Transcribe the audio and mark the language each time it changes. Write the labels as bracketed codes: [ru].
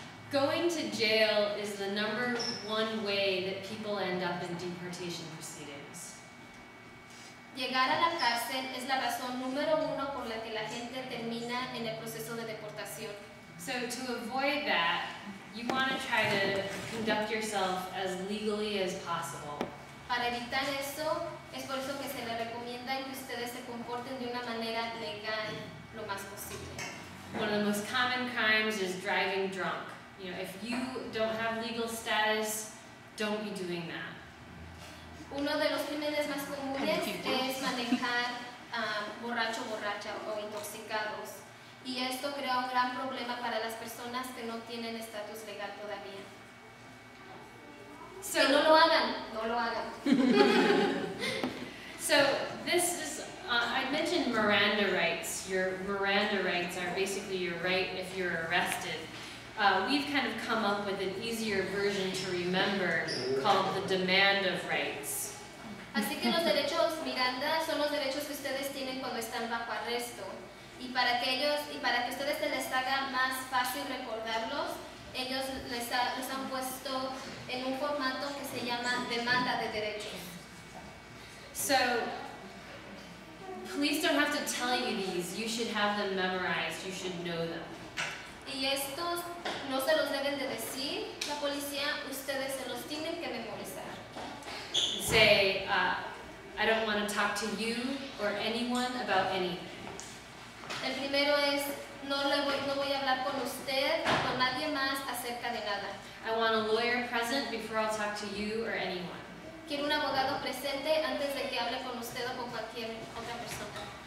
[en] Going to jail is the number one way that people end up in deportation proceedings. [es] Llegar a la cárcel es la razón número uno por la que la gente termina en el proceso de deportación. [en] So to avoid that, you want to try to conduct yourself as legally as possible. [es] Para evitar eso, es por eso que se le recomienda que ustedes se comporten de una manera legal lo más posible. [en] One of the most common crimes is driving drunk. You know, if you don't have legal status, don't be doing that. [es] Uno de los crímenes más comunes es manejar borracho, borracha o intoxicados. Y esto crea un gran problema para las personas que no tienen estatus legal todavía. [en] So, [es] que no lo hagan, no lo hagan. [en] So, this is, I mentioned Miranda rights. Your Miranda rights are basically your right if you're arrested. We've kind of come up with an easier version to remember called the demand of rights. [es] Así que los derechos Miranda son los derechos que ustedes tienen cuando están bajo arresto. Y para que ellos, y para que ustedes se les haga más fácil recordarlos, ellos les han puesto en un formato que se llama demanda de derechos. [en] So, police don't have to tell you these. You should have them memorized. You should know them. [es] Y estos no se los deben de decir la policía. Ustedes se los tienen que memorizar. [en] Say, I don't want to talk to you or anyone about anything. [es] El primero es, no voy a hablar con usted o con nadie más acerca de nada. [en] I want a lawyer present before I'll talk to you or anyone. [es] Quiero un abogado presente antes de que hable con usted o con cualquier otra persona.